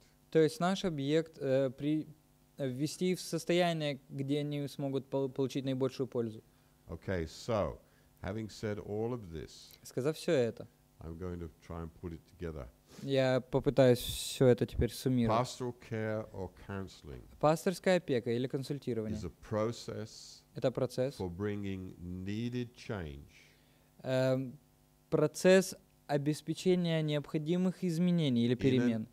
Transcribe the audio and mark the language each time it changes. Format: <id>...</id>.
<ru>То есть наш объект привести в состояние, где они смогут получить наибольшую пользу.</ru> <en>Okay, so, having said all of this,</en> <ru>сказав все это,</ru> <en>I'm going to try and put it together.</en> <ru>Я попытаюсь все это теперь суммировать.</ru> <en>Pastoral care or counseling.</en> <ru>Пасторская опека или консультирование.</ru> <en>Is a process.</en> <ru>Это процесс.</ru> <en>For bringing needed change.</en> <ru>Процесс обеспечения необходимых изменений или перемен.</ru>